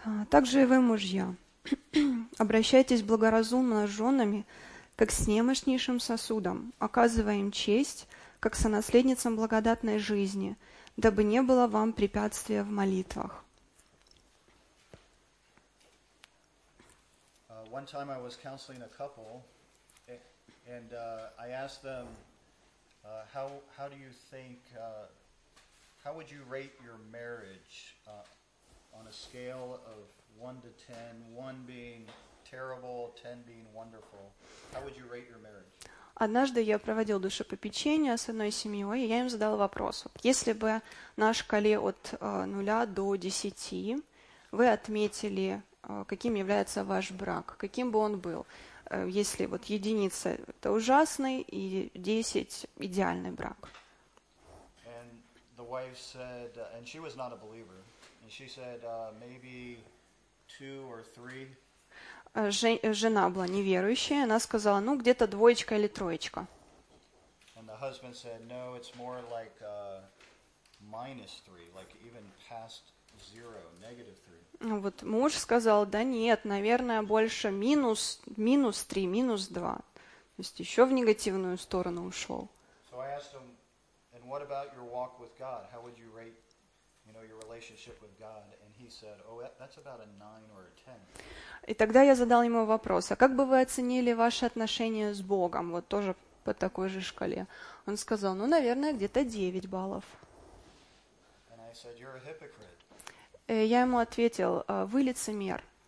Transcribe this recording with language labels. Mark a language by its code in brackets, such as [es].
[ru] «Также и вы, мужья, обращайтесь благоразумно с женами, как с немощнейшим сосудом, оказывая им честь, как сонаследницам благодатной жизни, дабы не было вам препятствия в молитвах». [en] One time I was counseling a couple, and I asked them, how do you think, how would you rate your marriage on a scale of 1 to 10, 1 being terrible, 10 being wonderful? How would you rate your marriage? [ru] Однажды я проводил душепопечение с одной семьей, и я им задал вопрос. Если бы на шкале от 0 до 10 вы отметили, каким является ваш брак, каким бы он был, если вот единица – это ужасный, и 10 – идеальный брак. [en] And the wife said, and she was not a believer, and she said, maybe two or three. [ru] Жена была неверующая, она сказала, ну, где-то двоечка или троечка. [en] And the husband said, no, it's more like minus three, like even past zero, negative three. [ru] Вот муж сказал, да нет, наверное, больше минус три, минус два. То есть еще в негативную сторону ушел. [en] So I asked him, and what about your walk with God? How would you rate, you know, your relationship with God? And he said, oh, that's about a nine or a ten. [ru] И тогда я задал ему вопрос, а как бы вы оценили ваши отношения с Богом? Вот тоже по такой же шкале. Он сказал, ну, наверное, где-то 9 баллов. [en] And I said, you're a hypocrite. [ru] Я ему ответил, вы лицемер.